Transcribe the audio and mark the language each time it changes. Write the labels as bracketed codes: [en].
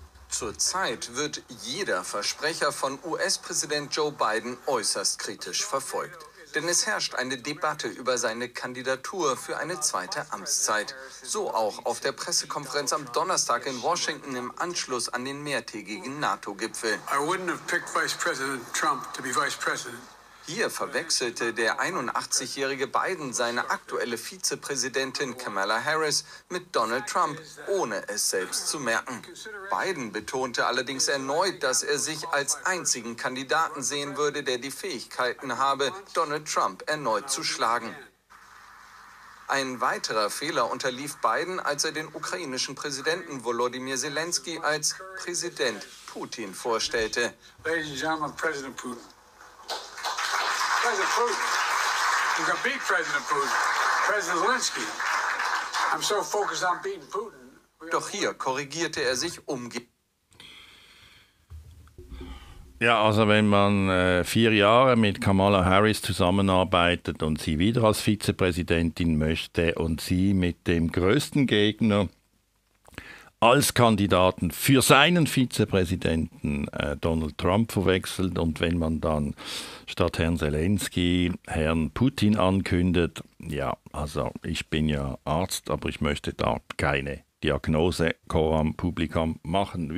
[de] Zurzeit wird jeder Versprecher von US-Präsident Joe Biden äußerst kritisch verfolgt. Denn es herrscht eine Debatte über seine Kandidatur für eine zweite Amtszeit. So auch auf der Pressekonferenz am Donnerstag in Washington im Anschluss an den mehrtägigen NATO-Gipfel. [en] I wouldn't have picked Vice President Trump to be Vice President. [de] Hier verwechselte der 81-jährige Biden seine aktuelle Vizepräsidentin Kamala Harris mit Donald Trump, ohne es selbst zu merken. Biden betonte allerdings erneut, dass er sich als einzigen Kandidaten sehen würde, der die Fähigkeiten habe, Donald Trump erneut zu schlagen. Ein weiterer Fehler unterlief Biden, als er den ukrainischen Präsidenten Volodymyr Zelensky als Präsident Putin vorstellte. [en] Ladies and gentlemen, President Putin. President Putin. You can beat President Putin. President Zelensky. I'm so focused on beating Putin. [de] Doch hier korrigierte er sich umgehend. Ja, also wenn man 4 Jahre mit Kamala Harris zusammenarbeitet und sie wieder als Vizepräsidentin möchte und sie mit dem größten Gegner als Kandidaten für seinen Vizepräsidenten Donald Trump verwechselt und wenn man dann statt Herrn Zelensky Herrn Putin ankündet, ja, also ich bin ja Arzt, aber ich möchte da keine Diagnose [la] coram publicam [de] machen.